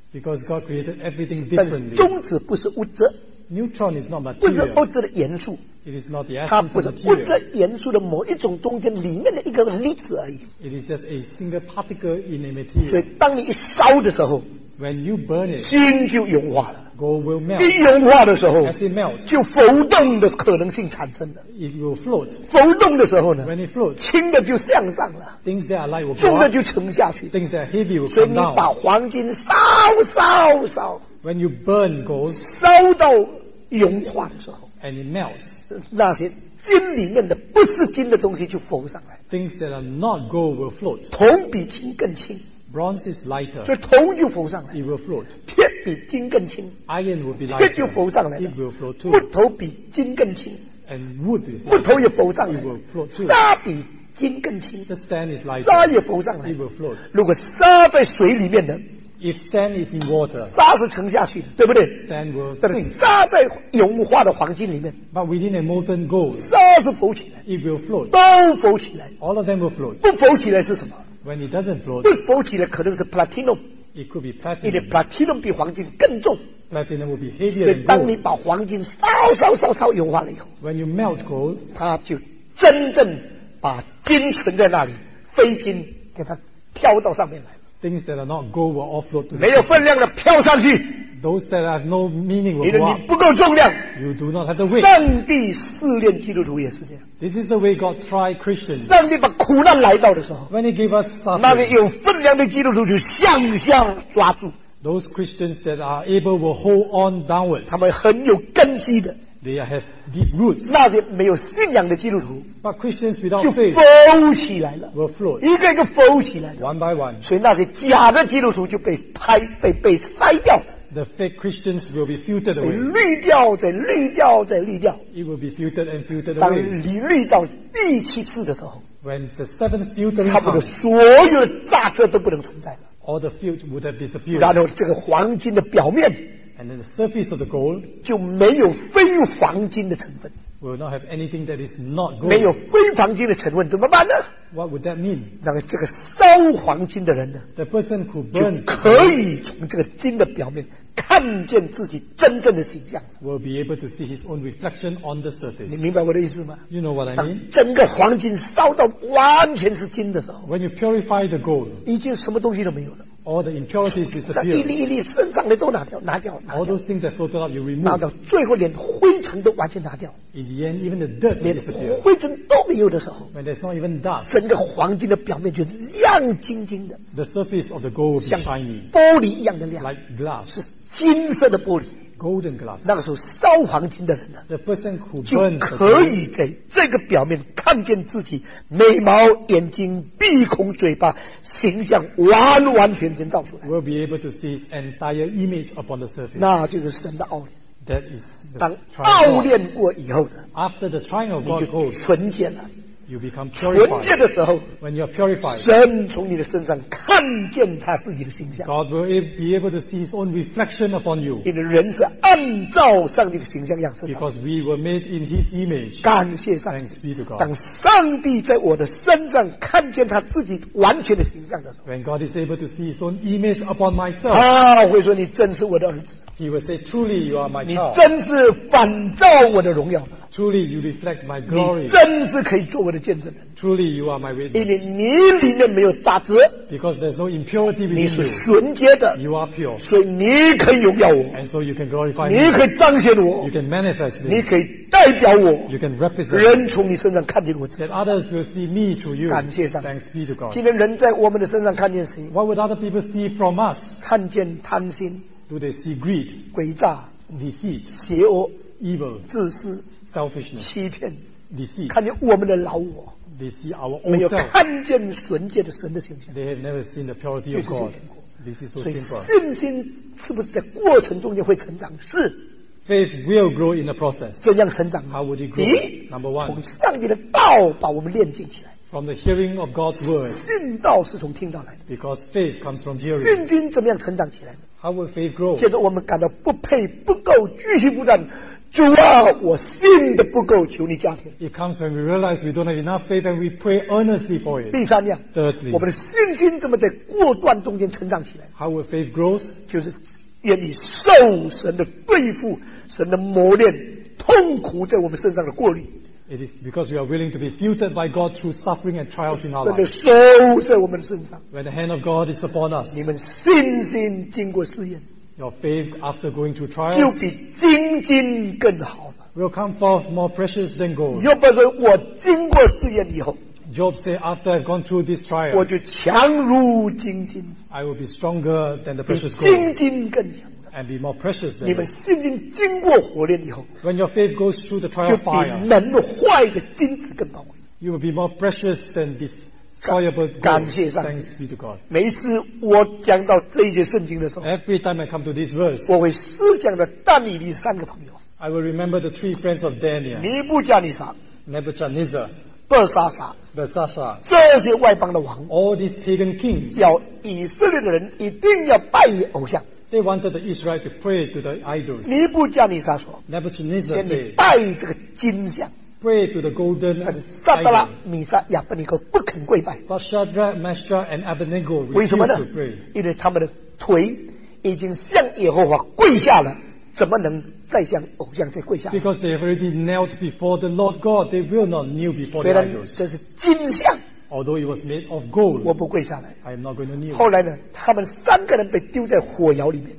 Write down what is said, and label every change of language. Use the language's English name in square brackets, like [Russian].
[English] because God created everything differently, [Chinese] 但中子不是物质, [English] neutron is not material, [Chinese] 不是物质的元素, [English] it is not the essence of material, [Chinese] 它不是物质元素的某一种中间里面的一个粒子而已, [English] it is just a single particle in a material. [Chinese] 所以当你一烧的时候, [English] when you burn it, [Chinese] 金就融化了, [English] gold will melt. [Chinese] 一融化的时候, [English] as it melts, [Chinese] 就浮动的可能性产生了, [English] it will float. [Chinese] 浮动的时候呢, [English] when it floats, [Chinese] 轻的就向上了, [English] things that are light will go [Chinese] up, 重的就沉下去, [English] things that are heavy will come down. [Chinese] 所以你把黄金烧, [English] when you burn gold, [Chinese] 烧到融化的时候, [English] and it melts, [Chinese] 那些金里面的不是金的东西就浮上来, [English] things that are not gold will float. [Chinese] 铜比金更轻, [English] bronze is lighter, [Chinese] 所以铜就浮上来, [English] it will float. [Chinese] 铁比金更轻, [English] iron will be lighter, [Chinese] 铁就浮上来了, [English] it will float too. [Chinese] 木头比金更轻, [English] and wood is like [Chinese] 木头也浮上来 [English] it will float too. [Chinese] 沙比金更轻 [English] the sand is lighter [Chinese] 沙也浮上来 [English] it will float. [Chinese] 如果沙在水里面的 [English] if sand is in water [Chinese] 沙是沉下去对不对 [English] sand will sink [Chinese] 沙在融化的黄金里面 [English] but within a molten gold [Chinese] 沙是浮起来 [English] it will float [Chinese] 都浮起来 [English] all of them will float [Chinese] 不浮起来是什么 [English] when it doesn't float [Chinese] 不浮起来可能是 platinum [English] it could be platinum [Chinese] 因为 platinum 比黄金更重 [English] Platinum will be heavier than [Chinese] 所以当你把黄金烧烧烧烧融化了以后 [English] When you melt gold, [Chinese] 它就真正把金存在那里飞金给它飘到上面来 [English] Things that are not gold will offload to [Chinese] 没有分量的飘上去 [English] Those that have no meaning will go up [Chinese] 你不够重量 [English] You do not have the weight [Chinese] 上帝试炼基督徒也是这样 [English] This is the way God tried Christians [Chinese] 上帝把苦难来到的时候 [English] When he gave us suffering [Chinese] 那边有分量的基督徒就向下抓住 [English] Those Christians that are able will hold on downwards. [Chinese] 他们很有根基的。 [English] They have deep roots. [Chinese] 那些没有信仰的基督徒。 [English] But Christians without faith. [Chinese] 就浮起来了。 [English] Will float. [Chinese] 一个一个浮起来了。 [English] One by one. [Chinese] 所以那些假的基督徒就被拍、被筛掉。 [English] The fake Christians will be filtered away. [Chinese] 被滤掉，再滤掉，再滤掉。 [English] It will be filtered and filtered away. [Chinese] 当你滤到第七次的时候。 [English] When the seventh filtering. [Chinese] 差不多所有的杂质都不能存在了。 [English] All the field would have disappeared. [Chinese] 然后这个黄金的表面 [English] and then the surface of the gold [Chinese] 就没有非黄金的成分 [English] will not have anything that is not gold. [Chinese] 没有非黄金的成分怎么办呢 [English] What would that mean? [Chinese] 那个这个烧黄金的人呢 [English] The person who burns [Chinese] 就可以从这个金的表面看见自己真正的形象 [English] will be able to see his own reflection on the surface. [Chinese] 你明白我的意思吗 [English] You know what I mean? [Chinese] 整个黄金烧到完全是金的时候 [English] When you purify the gold, [Chinese] 已经什么东西都没有了 [English] All the impurities disappear. [Chinese] 一粒一粒身上的都拿掉 [English] All those things that floated up, you remove. [Chinese] 拿到最后连灰尘都完全拿掉 [English] In the end, even the dirt disappears. [Chinese] 连灰尘都没有的时候 [English] When there's not even dust, [Chinese] 整个黄金的表面就亮晶晶的 [English] The surface of the gold will be shiny. [Chinese] 像玻璃一样的亮 [English] Like glass. [Chinese] 金色的玻璃 [English] Golden glass [Chinese] 那个时候烧黄金的人呢 [English] The person who burns [Chinese] 就可以在这个表面看见自己眉毛眼睛鼻孔嘴巴形象完完全全照出来 [English] Will be able to see his entire image upon the surface [Chinese] 那就是神的奥炼 [English] That is the [Chinese] 当奥炼过以后呢 [English] After the trying of God [Chinese] 你就纯洁了 [English] You become purified. [Chinese] 纯洁的时候 [English] When you are purified, [Chinese] 神从你的身上看见他自己的形象 [English] God will be able to see his own reflection upon you. [Chinese] 因为人是按照上帝的形象样式 [English] Because we were made in his image. [Chinese] 感谢上帝 [English] Thanks be to God. [Chinese] 当上帝在我的身上看见他自己完全的形象的时候 [English] When God is able to see his own image upon myself. [Chinese] 他会说你真是我的儿子 [English] He will say truly you are my child. [Chinese] 你真是反照我的荣耀 [English] Truly, you reflect my glory. [Chinese] 你真是可以做我的见证人。 [English] Truly, you are my witness. [Chinese] 因为你里面没有杂质。 [English] Because there's no impurity within [Chinese] you. 你是纯洁的。 [English] You are pure. [Chinese] 所以你可以荣耀我。 [English] And so you can glorify me. [Chinese] 你可以彰显我。 [English] You can manifest me. [Chinese] 你可以代表我。 [English] You can represent me. [Chinese] 人从你身上看见我自己。 [English] That others will see me through you. [Chinese] 感谢上帝。 [English] Thanks be to God. [Chinese] 今天人在我们的身上看见谁 [English] ？What would other people see from us? [Chinese] 看见贪心。 [English] Do they see greed? [Chinese] 诡诈。 [English] Deceit. [Chinese] 邪恶。 [English] Evil. [Chinese] 自私。 [English] Selfishness, [Chinese] 欺骗 [English] deceit, [Chinese] 看见我们的老我 [English] they see our own self, [Chinese] 没有看见纯洁的神的形象 [English] they have never seen the purity of God this is so simple [Chinese] 所以信心是不是在过程中间会成长是 [English] faith will grow in the process [Chinese] 怎样成长 [English] how would it grow number one [Chinese] 从上帝的道把我们炼净起来 [English] from the hearing of God's word [Chinese] 信道是从听到来的 [English] because faith comes from hearing [Chinese] 信心怎么样成长起来 [English] how will faith grow [Chinese] 接着我们感到不配不够继续不断主啊我信的不够求你加添 [English] It comes when we realize we don't have enough faith and we pray earnestly for it [Chinese] 第三样 [English] Thirdly [Chinese] 我们的信心怎么在过段中间成长起来 [English] How will faith grow? [Chinese] 就是愿意受神的对付神的磨练痛苦在我们身上的过滤 [English] It is because we are willing to be filtered by God through suffering and trials in our life [Chinese] 神的手在我们身上 [English] When the hand of God is upon us [Chinese] 你们信心经过试验 [English] Your faith after going through trials [Chinese] 就比金金更好了 [English] will come forth more precious than gold. [Chinese] 又不是我经过试验以后 [English] Job said after I've gone through this trial [Chinese] 我就强如金金 [English] I will be stronger than the precious gold. [Chinese] 比金金更强 [English] And be more precious than [Chinese] 你们信心经过火炼以后 [English] When your faith goes through the trial fire [Chinese] 就比能坏的金子更宝贵 [English] You will be more precious than this Soluble gold. [Chinese] 感谢上帝 [English] Thanks be to God. [Chinese] 每次我讲到这一节圣经的时候 [English] Every time I come to this verse [Chinese] 我会思想的但以理三个朋友 [English] I will remember the three friends of Daniel. [Chinese] 尼布甲尼撒 [English] Nebuchadnezzar. [Chinese] 伯沙沙 [English] Belshazzar. [Chinese] 这些外邦的王 [English] All these pagan kings. [Chinese] 要以色列的人一定要拜于偶像。 [English] They wanted the Israel to pray to the idols. [Chinese] 尼布甲尼撒说 [English] Nebuchadnezzar said, [Chinese] 先你拜这个金像。 [English] Pray to the golden idol. [Chinese] 撒巴拉米撒亚伯尼哥不肯跪拜。 [English] But Shadrach, Meshach, and Abednego refused to pray. [Chinese] 因为他们的腿已经向耶和华跪下了，怎么能再向偶像再跪下？ [English] Because they have already knelt before the Lord God, they will not kneel before the idols. [Chinese] 虽然这是金像。 [English] Although it was made of gold, [Chinese] 我不跪下来。 [English] I am not going to kneel. [Chinese] 后来呢，他们三个人被丢在火窑里面。